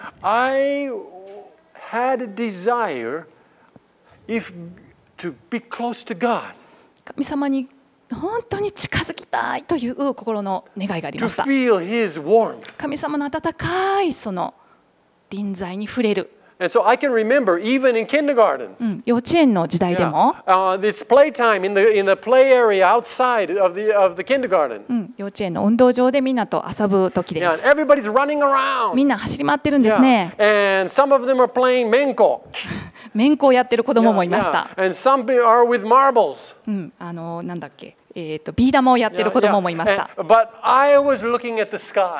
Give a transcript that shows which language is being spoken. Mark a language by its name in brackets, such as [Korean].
[English] I had a desire if to be close to God. [Japanese] 神様に本当に近づきたいという心の願いがありました。 [English] To feel His warmth. [Japanese] 神様の温かいその臨在に触れる。 [English] And so I can remember even in kindergarten. [Japanese] 幼稚園の時代でも。 [English] It's playtime in the play area outside of the kindergarten. [Japanese] 幼稚園の運動場でみんなと遊ぶ時です。 [English] Yeah, everybody's running around. [Japanese] みんな走り回ってるんですね。 [English] Yeah. And some of them are playing menko. [Japanese] menko をやってる子供もいました。 [English] And some are with marbles. [Japanese] なんだっけ。ビー玉をやってる子供もいました。 [English] But I was looking at the sky.